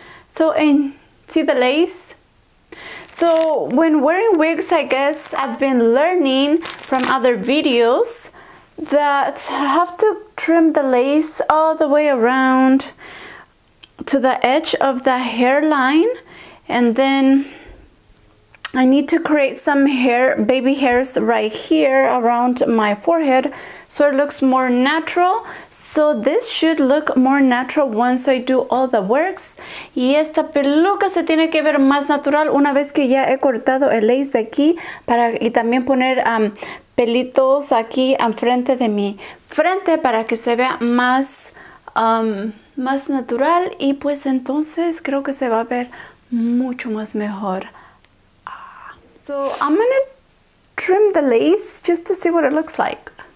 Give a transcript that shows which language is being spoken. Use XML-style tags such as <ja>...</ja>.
<en>So, and see the lace? So when wearing wigs, I guess I've been learning from other videos that I have to trim the lace all the way around to the edge of the hairline. And then I need to create some hair, baby hairs right here around my forehead so it looks more natural. So this should look more natural once I do all the works.</en> <es>Y esta peluca se tiene que ver más natural una vez que ya he cortado el lace de aquí para, y también poner pelitos aquí enfrente de mi frente para que se vea más, más natural. Y pues entonces creo que se va a ver mucho más mejor.</es> <en>So I'm gonna trim the lace just to see what it looks like.</en>